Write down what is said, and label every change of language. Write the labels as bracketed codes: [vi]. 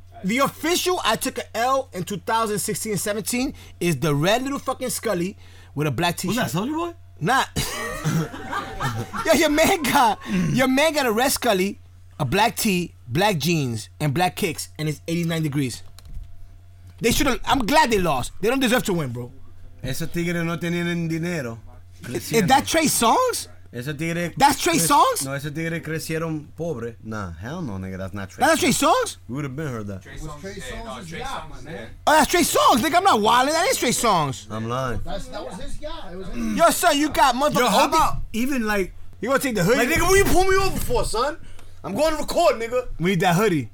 [en] The official I took an L in 2016 and 17 is the red little fucking Scully with a black t-shirt. Was that Soulja Boy? Nah. Yo, your man got a red Scully, a black tee, black jeans, and black kicks, and it's 89 degrees. They should have. I'm glad they lost. They don't deserve to win, bro. [es] Esos tigres no tenían dinero. [en] Is that Trey Songz? [es] Esos tigres. [en] That's Trey Songz? [es] No, esos tigres crecieron pobre. [en] Nah, hell no, nigga. That's not Trey. That's Trey Songz? We would have been heard that. Trey Songz. Oh, that's Trey Songz, nigga. I'm not wilding. That is Trey Songz. I'm lying. That was his guy. Yo, son, you got motherfucker. Yo, how about even like you gonna take the hoodie? Like, nigga, what you pull me over for, son? I'm going to record, nigga. We need that hoodie.